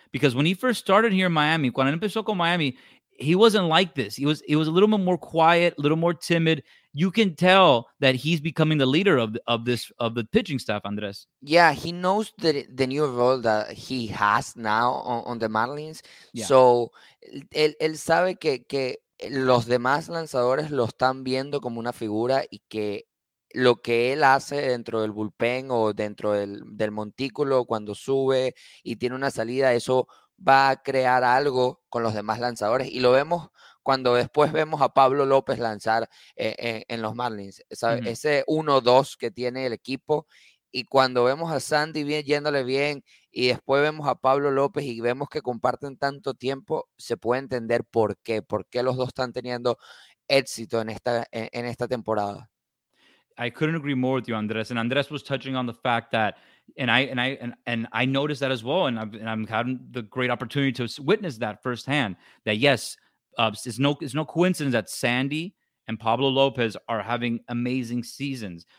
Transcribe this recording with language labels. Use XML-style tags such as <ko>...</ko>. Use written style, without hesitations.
<en>Because when he first started here in Miami,</en> <es>cuando empezó con Miami,</es> <en>he wasn't like this. He was a little bit more quiet, a little more timid. You can tell that he's becoming the leader of the pitching staff, Andres. Yeah, he knows the new role that he has now on the Marlins. Yeah.</en> <es>So, él sabe que los demás lanzadores lo están viendo como una figura y que lo que él hace dentro del bullpen o dentro del montículo cuando sube y tiene una salida, eso va a crear algo con los demás lanzadores. Y lo vemos cuando después vemos a Pablo López lanzar en los Marlins. ¿Sabe? Mm-hmm. Ese 1-2 que tiene el equipo. Y cuando vemos a Sandy bien, yéndole bien, y después vemos a Pablo López y vemos que comparten tanto tiempo, se puede entender por qué. Por qué los dos están teniendo éxito en esta temporada.</es> <en>I couldn't agree more with you, Andres. And Andres was touching on the fact that I noticed that as well, and I'm having the great opportunity to witness that firsthand. That yes, it's no coincidence that Sandy and Pablo López are having amazing seasons.</en>